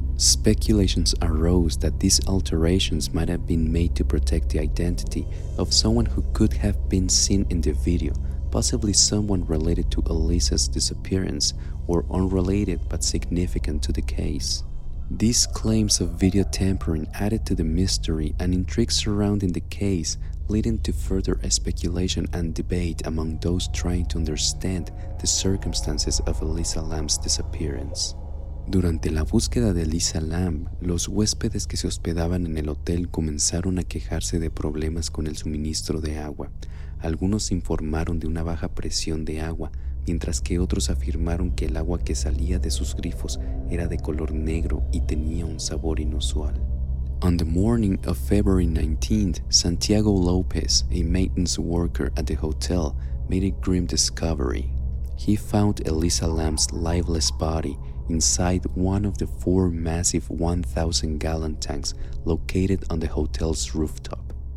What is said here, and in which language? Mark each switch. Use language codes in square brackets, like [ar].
[en] Speculations arose that these alterations might have been made to protect the identity of someone who could have been seen in the video, possibly someone related to Elisa's disappearance or unrelated but significant to the case. These claims of video tampering added to the mystery and intrigue surrounding the case, leading to further speculation and debate among those trying to understand the circumstances of Elisa Lam's disappearance. [es] Durante la búsqueda de Elisa Lam, los huéspedes que se hospedaban en el hotel comenzaron a quejarse de problemas con el suministro de agua. Algunos informaron de una baja presión de agua, mientras que otros afirmaron que el agua que salía de sus grifos era de color negro y tenía un sabor inusual. [en] On the morning of February 19th, Santiago López, a maintenance worker at the hotel, made a grim discovery. He found Elisa Lam's lifeless body inside one of the four massive 1,000-gallon tanks located on the hotel's rooftop.